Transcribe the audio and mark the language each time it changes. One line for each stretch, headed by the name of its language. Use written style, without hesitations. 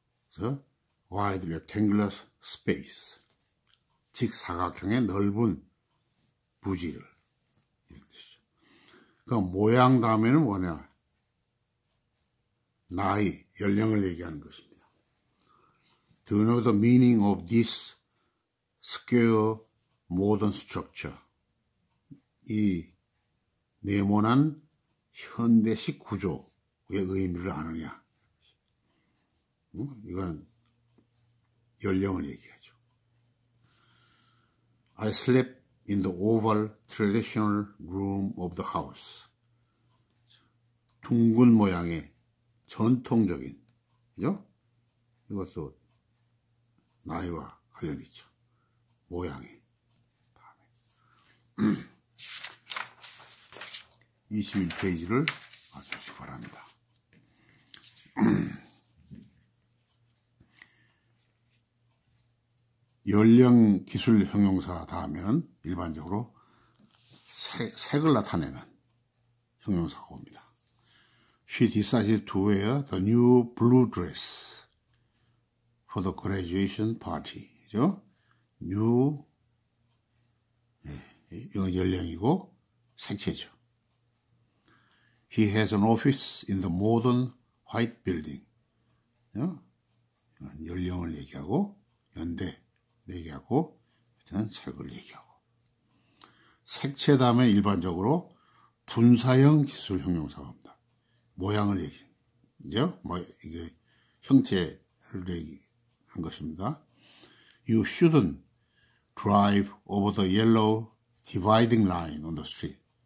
Korean: 그래서 와이드 렉탱글러 스페이스, 즉 사각형의 넓은 부지를 이런 뜻이죠. 그럼 모양 다음에는 뭐냐? 나이, 연령을 얘기하는 것입니다.
English: Do you know the meaning of this square modern structure?
Korean: 이 네모난 현대식 구조의 의미를 아느냐? 이건 연령을 얘기하죠.
English: I slept in the oval traditional room of the house.
Korean: 둥근 모양의 전통적인, 그죠? 이것도 나이와 관련이 있죠. 모양의. 다음에. 21페이지를 봐주시기 바랍니다. 연령 기술 형용사 다음에는 일반적으로 색을 나타내는 형용사가 옵니다.
English: She decided to wear the new blue dress for the graduation party.
Korean: 그죠? New, 네, 이건 연령이고 색채죠.
English: He has an office in the modern white building.
Korean: 연령을 얘기하고 연대 얘기하고 색을 얘기하고 색채 다음에 일반적으로 분사형 기술 형용사가 옵니다. 모양을 얘기. 이제 뭐 이게 형태를 얘기한 것입니다.
English: You shouldn't drive over the yellow dividing line on the street.